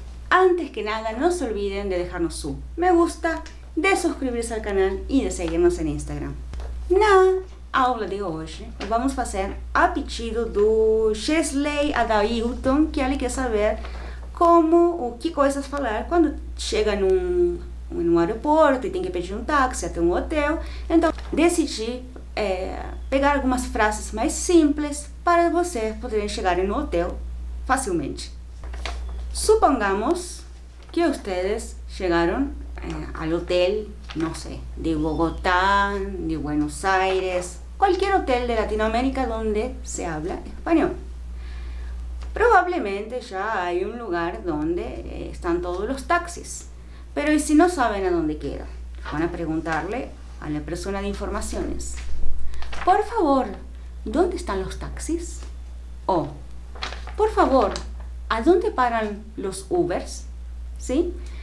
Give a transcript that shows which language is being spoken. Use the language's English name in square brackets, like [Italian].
[Spanish] Antes que nada, no se olviden de dejarnos su me gusta, de suscribirse al canal y de seguirnos en Instagram. ¡Nada! [Portuguese] Aula de hoje, [Spanish] vamos a hacer [Portuguese] a pedido do Chesley Adailton, que ele quer saber como, o que coisas falar quando chega num aeroporto e tem que pedir um táxi até um hotel. Então, decidi pegar algumas frases mais simples para vocês poderem chegar no hotel facilmente. [Spanish] Supongamos [Portuguese] que vocês chegaram ao hotel, não sei, de Bogotá, de Buenos Aires. [Spanish] Cualquier hotel de Latinoamérica donde se habla español. Probablemente ya hay un lugar donde están todos los taxis. Pero ¿y si no saben a dónde queda? Van a preguntarle a la persona de informaciones. Por favor, ¿dónde están los taxis? O, por favor, ¿a dónde paran los Ubers? ¿Sí?